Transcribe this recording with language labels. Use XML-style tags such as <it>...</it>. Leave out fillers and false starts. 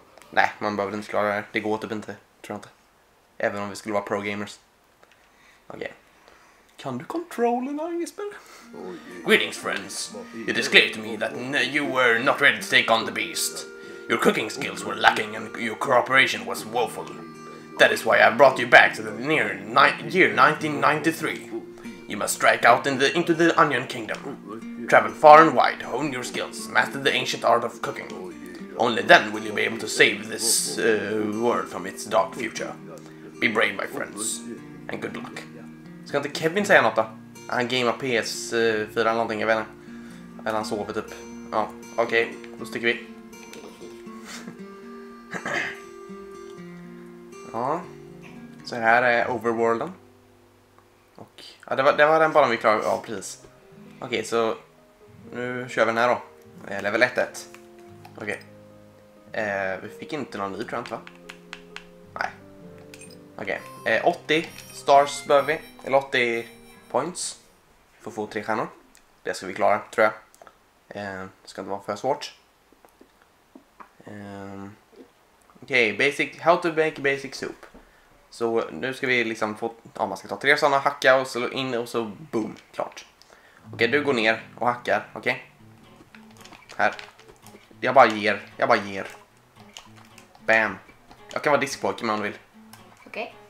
<sv>Nej, man behöver inte klara det här. Det går typ inte, tror jag inte. Även om vi skulle vara pro-gamers. Okej. Kan du kontrollen här, Jesper?</sv> <en>Greetings, friends. It is clear to me that you were not ready to take on the beast. Your cooking skills were lacking and your cooperation was woeful. That is why I brought you back to the near year 1993. You must strike out into the Onion Kingdom. Travel far and wide, hone your skills, master the ancient art of cooking. Only then will you be able to save this world from its dark future. Be brave, my friends, and good luck.</en> <sv>Ska inte Kevin säga något då? Han gamar PS4 eller någonting, jag vet inte. Eller han sover typ. Ja, okej, då sticker vi. Ja. Så här är Overworlden. Och ja, det var den banan vi klarade av, ja, precis. Okej, så nu kör vi den här då. Level 1-1. Okej. Vi fick inte någon ny trend, va? Nej. Okej. 80 stars behöver vi. Eller 80 points. För att få 3 stjärnor. Det ska vi klara, tror jag. Det ska inte vara för svårt.</sv> <en>Okej, basic, how to make basic soup.</en> <sv>Så nu ska vi liksom få, ja, man ska ta 3 sådana, hacka och slå in och så boom, klart. Okej, du går ner och hackar, okej? Här. Jag bara ger. Bam. Jag kan vara diskpojke om du vill. Okej.</sv>